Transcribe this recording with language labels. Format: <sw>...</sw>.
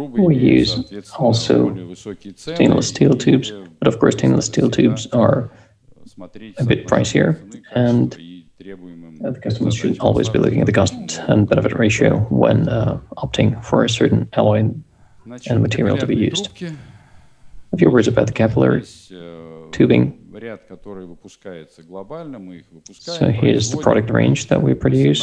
<en>We use also stainless steel tubes, but of course stainless steel tubes are a bit pricier, and the customers should always be looking at the cost and benefit ratio when opting for a certain alloy and material to be used. A few words about the capillary tubing.</en> <ru>ряд, который выпускается глобально, мы их выпускаем.</ru> <en>So here's the product range that we produce.</en>